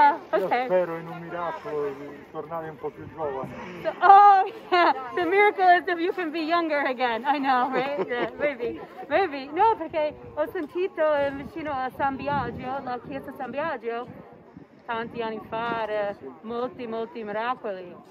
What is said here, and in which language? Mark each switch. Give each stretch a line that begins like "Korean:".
Italian: Okay. Io spero in un miracolo di tornare un po' più giovane.
English: So, oh, yeah. The miracle is that you can be younger again. I know, right? Yeah, maybe. Maybe.
Italian: No, perché ho sentito vicino a San Biagio, la chiesa San Biagio, tanti anni fa, molti, molti miracoli.